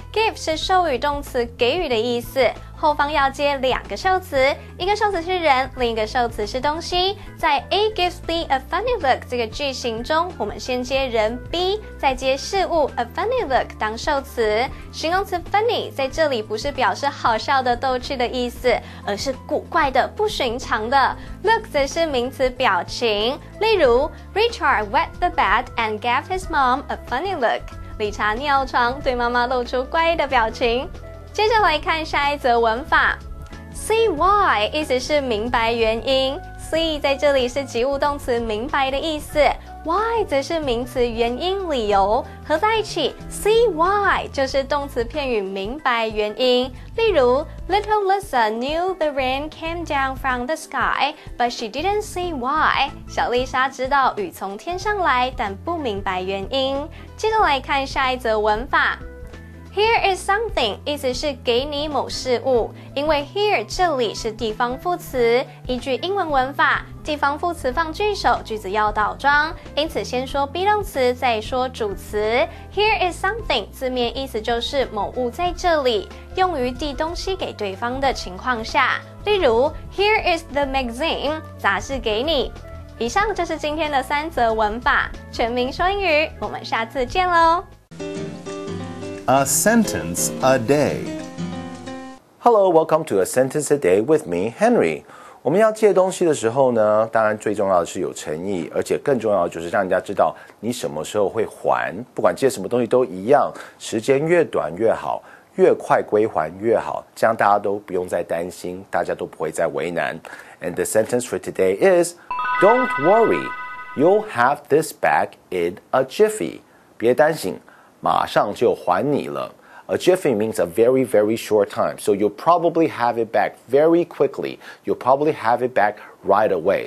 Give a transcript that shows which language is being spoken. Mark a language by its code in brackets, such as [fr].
[zh] Give 是授予动词给予的意思，后方要接两个受词，一个受词是人，另一个受词是东西。在 [en] A gives B a funny look [zh] 这个句型中，我们先接人 B， 再接事物 a funny look 当受词。形容词 funny 在这里不是表示好笑的、逗趣的意思，而是古怪的、不寻常的。 Look 则是名词表情，例如 [en] Richard wet the bed and gave his mom a funny look。 [zh] 理查尿床，对妈妈露出怪异的表情。接着来看下一则文法 ，see why 意思是明白原因 ，see 在这里是及物动词明白的意思 ，why 则是名词原因、理由，合在一起 ，see why 就是动词片语明白原因。例如 ， [en] Little Lisa knew the rain came down from the sky, but she didn't see why。 [zh] 小丽莎知道雨从天上来，但不明白原因。接着来看下一则文法。 [en] Here is something [zh] 意思是给你某事物，因为 here 这里是地方副词，依据英文文法，地方副词放句首，句子要倒装，因此先说 be 动词，再说主词。 [en] Here is something [zh] 字面意思就是某物在这里，用于递东西给对方的情况下。例如 ， [en] Here is the magazine [zh] 杂志给你。以上就是今天的三则文法，全民说英语，我们下次见喽。 [en] A sentence a day. Hello, welcome to A Sentence a Day with me, Henry. [zh] 我们要借东西的时候呢，当然最重要的是有诚意，而且更重要的就是让人家知道你什么时候会还。不管借什么东西都一样，时间越短越好，越快归还越好，这样大家都不用再担心，大家都不会再为难。 [en] And the sentence for today is, Don't worry, you'll have this back in a jiffy. [zh] 别担心。马上就还你了。 [en] A jiffy means a very, very short time. So you'll probably have it back very quickly. You'll probably have it back right away.